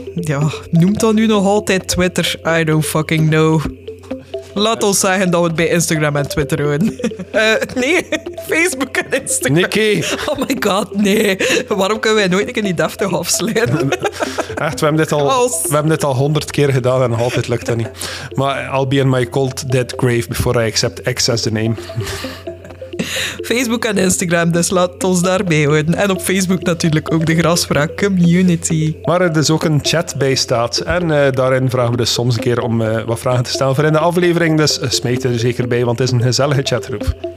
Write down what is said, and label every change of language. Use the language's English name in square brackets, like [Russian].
[Dutch] ja, noemt dat nu nog altijd Twitter? [English] I don't fucking know. [Dutch] Laat ons zeggen dat we het bij Instagram en Twitter houden. Nee, Facebook en Instagram. Nikki. [English] Oh my god, nee. [Dutch] Waarom kunnen wij nooit in die deftig afsluiten? Echt, we hebben dit al 100 keer gedaan en altijd lukt dat niet. [English] Maar I'll be in my cold dead grave before I accept X as the name. [Dutch] Facebook en Instagram, dus laat ons daarbij houden. En op Facebook natuurlijk ook de grasspraak community. Waar er dus ook een chat bij staat. En daarin vragen we dus soms een keer om wat vragen te stellen voor in de aflevering. Dus smijt er zeker bij, want het is een gezellige chatgroep.